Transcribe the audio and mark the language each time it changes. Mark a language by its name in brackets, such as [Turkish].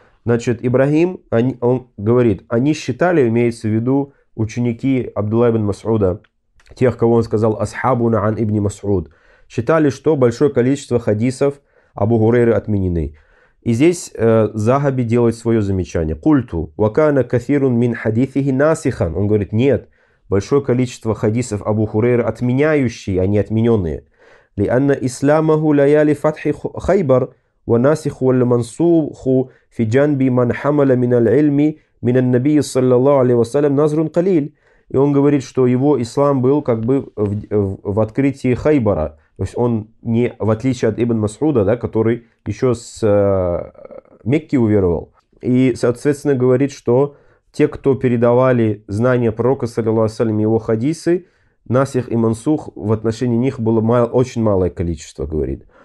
[Russian] Значит, Ибрахим, он говорит, они считали, имеется в виду ученики Абдулла ибн Масуда, тех, кого он сказал, [Arabic] асхабуна ан [Russian] ибн Масуд, считали, что большое количество хадисов Абу Гурейры отменены. И здесь Захаби делает свое замечание. [Arabic] Культу, вакана кафирун мин хадисихи насихан. [Russian] Он говорит, нет, большое количество хадисов Абу Гурейры отменяющие, а не отмененные. [Arabic] Ли анна исламаху лаяли фатхи хайбар. وناسخ والمنسوخ في جانب من حمل من العلم من النبي صلى الله عليه وسلم نظر قليل [Russian] И он говорит, что его ислам был как бы в открытии Хайбара. То есть он не в отличие от Ибн Масуда, да, который еще с Мекки уверовал. И, соответственно, говорит, что те, кто передавали знания пророка, саллиллаху алейхи ва саллям, его хадисы, насих и мансух, в отношении них было очень малое количество, говорит.